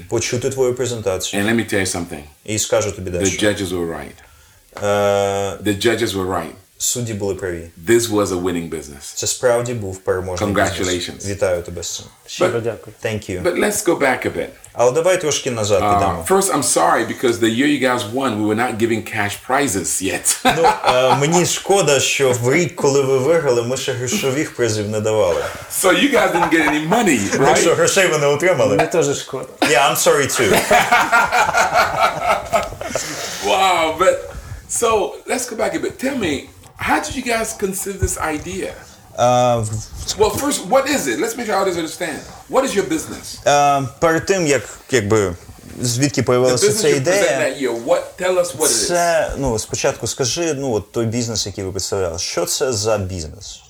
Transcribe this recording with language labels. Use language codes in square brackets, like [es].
[uk] Почути твою презентацію. [en] And let me tell you something. [uk] І скажу тобі дещо. [en] The judges were right. The judges were right. [uk] Судді були праві. [en] This was a winning business. [uk] Це справді був переможний бізнес. [en] Congratulations. [uk] Вітаю тебе з цим. Щиро дякую. [en] Thank you. But let's go back a bit. [uk] Але давай трошки назад підемо. [en] First, I'm sorry because the year you guys won, we were not giving cash prizes yet. [uk] Мені шкода, що в рік, коли ви виграли, ми ще грошових призів не давали. [en] So you guys didn't get any money, right? [uk] Так що грошей ви не отримали. Мені теж шкода. [en] Yeah, I'm sorry too. Wow, but so let's go back a bit. Tell me, how did you guys conceive this idea? Well, first, what is it? Let's make sure others understand. What is your business? [uk] Перед тим, як, якби, звідки появилася ця ідея, [en] what, tell us what [uk] це, [en] it is. [uk] Ну, спочатку скажи, ну, от той бізнес, який ви представляли, що це за бізнес?